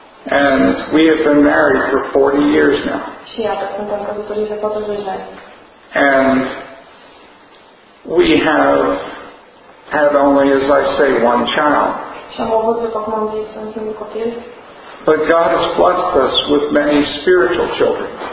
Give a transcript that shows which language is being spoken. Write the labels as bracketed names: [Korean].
[English] And we have been married for 40 years now. [Romanian] Și iată, suntem căsătorii de 40 de ani. [English] And we have had only, as I say, one child. [Romanian] Și am avut, după cum am zis, un singur copil. [English] But God has blessed us with many spiritual children.